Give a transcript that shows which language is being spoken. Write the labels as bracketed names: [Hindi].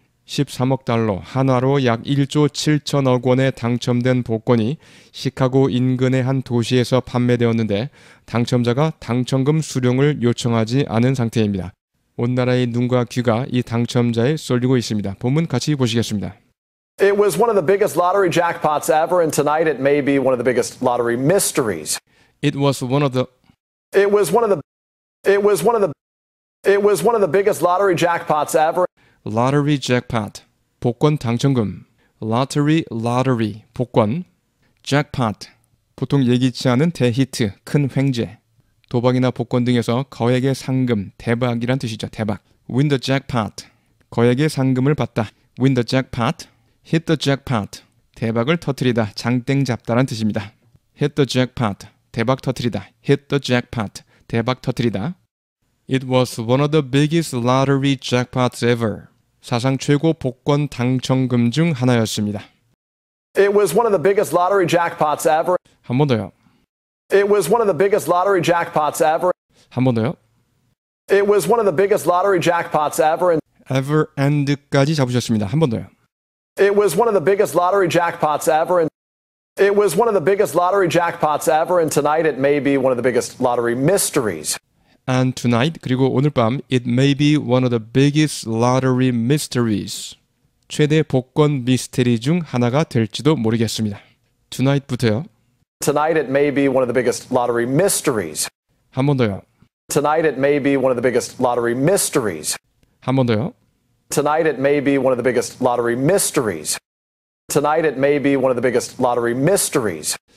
[Korean] 13억 달러, 한화로 약 1조 7천억 원에 당첨된 복권이 시카고 인근의 한 도시에서 판매되었는데 당첨자가 당첨금 수령을 요청하지 않은 상태입니다. 온 나라의 눈과 귀가 이 당첨자에 쏠리고 있습니다. 본문 같이 보시겠습니다. [English] It was one of the biggest lottery jackpots ever, and tonight it may be one of the biggest lottery mysteries. It was one of the. It was one of the. It was one of the. It was one of the biggest lottery jackpots ever. Lottery jackpot, [Korean] 복권 당첨금. Lottery, 복권. Jackpot, 보통 예기치 않은 대히트, 큰 횡재. 도박이나 복권 등에서 거액의 상금, 대박이란 뜻이죠. 대박. [English] Win the jackpot, [Korean] 거액의 상금을 받다. [English] Win the jackpot, hit the jackpot, [Korean] 대박을 터뜨리다, 장땡 잡다란 뜻입니다. [English] Hit the jackpot, [Korean] 대박 터뜨리다. [English] Hit the jackpot, 대박 터뜨리다. It was one of the biggest lottery jackpots ever. [Korean] 사상 최고 복권 당첨금 중 하나였습니다. [English] It was one of the biggest lottery jackpots ever. [Korean] 한 번 더요. [English] It was one of the biggest lottery jackpots ever. [Korean] 한 번 더요. [English] It was one of the biggest lottery jackpots ever. [Korean] Ever and까지 잡으셨습니다. 한 번 더요. [English] It was one of the biggest lottery jackpots ever. It was one of the biggest lottery jackpots ever. And tonight it may be one of the biggest lottery mysteries. And tonight, [Korean] 그리고 오늘 밤, [English] it may be one of the biggest lottery mysteries. [Korean] 최대 복권 미스터리 중 하나가 될지도 모르겠습니다. Tonight부터요. [English] Tonight it may be one of the biggest lottery mysteries. [Korean] 한 번 더요. [English] Tonight it may be one of the biggest lottery mysteries. [Korean] 한 번 더요. [English] Tonight it may be one of the biggest lottery mysteries. Tonight it may be one of the biggest lottery mysteries.